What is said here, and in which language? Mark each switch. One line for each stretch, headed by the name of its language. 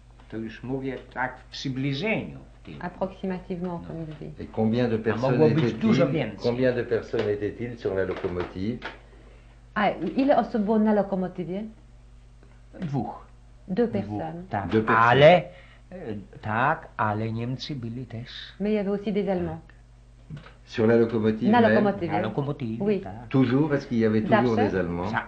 Polish: To już mówię tak w przybliżeniu.
French: Approximativement, comme il dit. Et combien de personnes étaient-ils? Combien de personnes étaient-ils sur la locomotive?
Polish: Ile osób było na lokomotywie? Dwóch.
French: Deux personnes. Deux personnes.
Polish: Ale, tak, ale Niemcy byli też.
French: Mais il y avait aussi des Allemands. Sur la locomotive? La locomotive. La locomotive. Oui. Toujours, parce qu'il y avait toujours des Allemands.